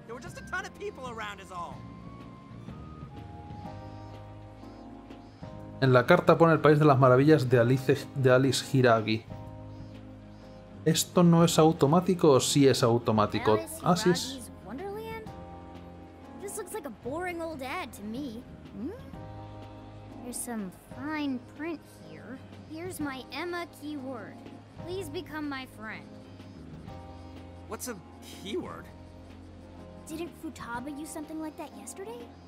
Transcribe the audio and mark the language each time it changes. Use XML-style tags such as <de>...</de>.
<en>There were just a ton of people around us all.</en> <es>En la carta pone el País de las Maravillas de Alice Hiragi. ¿Esto no es automático o sí es automático? Así es. Wonderland?</es> <en>This looks like a boring old ad to me. There's some fine print here. Here's my Emma keyword. Please become my friend. What's a keyword? Didn't Futaba use something like that yesterday?</en>